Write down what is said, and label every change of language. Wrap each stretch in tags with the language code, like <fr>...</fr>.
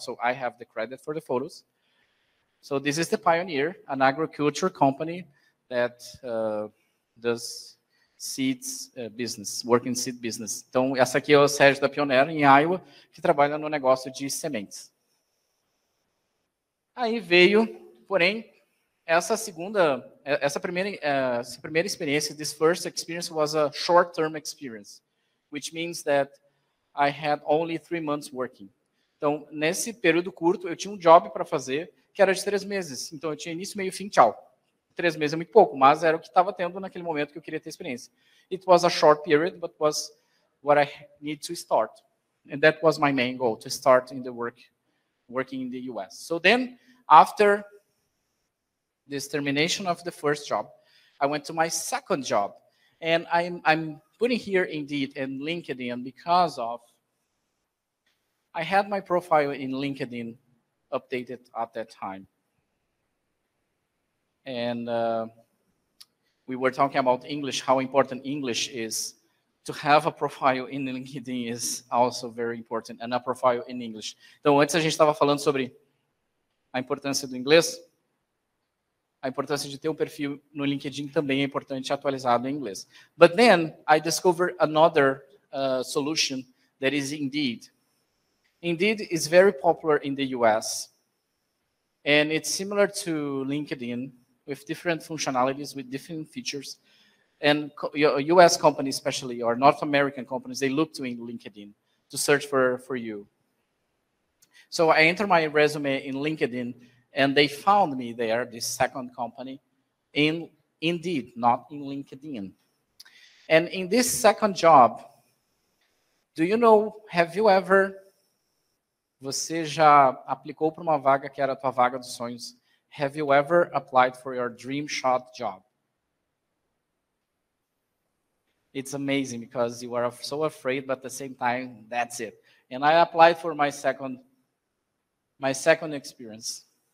<en>So I have the credit for the photos. So this is the Pioneer, an agriculture company that does seeds business, working seed business.</en> <pt>Então, essa aqui é o Sérgio da Pioneer, em Iowa, que trabalha no negócio de sementes. Aí veio, porém, essa primeira experiência,</pt> <en>this first experience was a short-term experience, which means that I had only 3 months working.</en> <pt>Então, nesse período curto, eu tinha um job para fazer, que era de 3 meses. Então, eu tinha início, meio, fim, tchau. 3 meses é muito pouco, mas era o que estava tendo naquele momento que eu queria ter experiência.</pt> <en>It was a short period, but was what I need to start. And that was my main goal, to start in the working in the US. So then, after this termination of the first job, I went to my second job. And I'm putting here Indeed and LinkedIn because of... I had my profile in LinkedIn updated at that time. And we were talking about English, how important English is. To have a profile in LinkedIn is also very important, and a profile in English.</en> <pt>Então, antes a gente estava falando sobre a importância do inglês. A importância de ter um perfil no LinkedIn também é importante, atualizado em inglês.</pt> <en>But then, I discovered another solution that is Indeed. Indeed is very popular in the US, and it's similar to LinkedIn, with different functionalities, with different features. And US companies especially, or North American companies, they look to LinkedIn to search for you. So I entered my resume in LinkedIn, and they found me there, this second company, in Indeed, not in LinkedIn. And in this second job, do you know, have you ever</en> <pt>Você já aplicou para uma vaga que era a tua vaga dos sonhos?</pt> <en>Have you ever applied for your dream shot job? It's amazing because you are so afraid, but at the same time, that's it. And I applied for my second experience.</en>